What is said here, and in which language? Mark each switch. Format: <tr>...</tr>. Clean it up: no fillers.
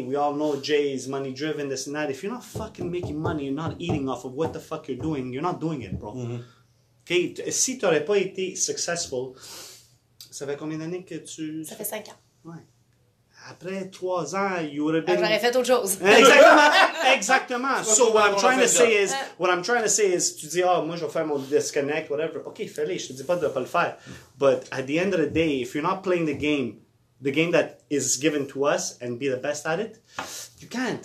<en>We all know Jay is money-driven, this and that. If you're not fucking making money, you're not eating off of what the fuck you're doing, you're not doing it, bro. Mm-hmm. Okay?</en> <fr>Si tu n'aurais pas été successful, ça fait combien d'années que tu... Ça fait 5 ans. Ouais. Après 3 ans,</fr> <en>you would have been...</en> <fr>J'aurais fait autre chose. Exactement.</fr> <en>So what I'm trying to say is... What I'm trying to say is,</en> <fr>tu dis, oh, moi, je vais faire mon disconnect, whatever. Okay, fais-le. Je ne dis pas de ne pas le faire.</fr> <en>But at the end of the day, if you're not playing the game... The game that is given to us and be the best at it, you can't.</en>